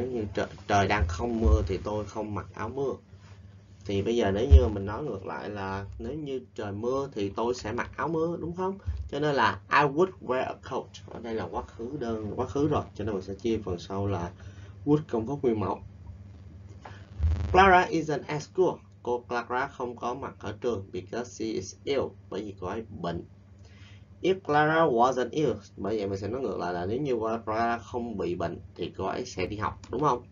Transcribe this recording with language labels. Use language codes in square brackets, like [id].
[vi] Nếu như trời đang không mưa thì tôi không mặc áo mưa. Thì bây giờ nếu như mình nói ngược lại là nếu như trời mưa thì tôi sẽ mặc áo mưa, đúng không? Cho nên là [en] I would wear a coat. [vi] Ở đây là quá khứ đơn, quá khứ rồi. Cho nên mình sẽ chia phần sau là would công thức nguyên mẫu. [en] Clara isn't at school. [vi] Cô Clara không có mặt ở trường [en] because she is ill. [vi] Bởi vì cô ấy bệnh. [en] If Clara wasn't ill, [vi] bởi vậy mình sẽ nói ngược lại là nếu như Clara không bị bệnh thì cô ấy sẽ đi học, đúng không?